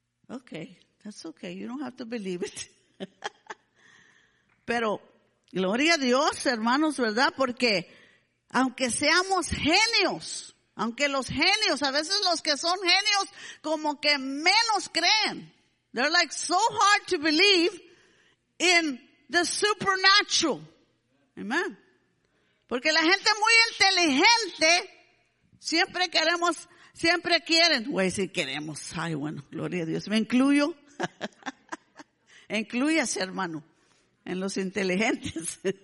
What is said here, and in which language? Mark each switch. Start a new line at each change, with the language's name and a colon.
English: Okay, that's okay. You don't have to believe it.
Spanish: Pero, gloria a Dios, hermanos, ¿verdad? Porque aunque seamos genios, aunque los genios, a veces los que son genios, como que menos creen.
English: They're like so hard to believe in the supernatural. Amen.
Spanish: Porque la gente muy inteligente siempre queremos, siempre quieren. Voy a decir queremos. Ay, bueno, gloria a Dios. Me incluyo. Incluyase, hermano, en los inteligentes.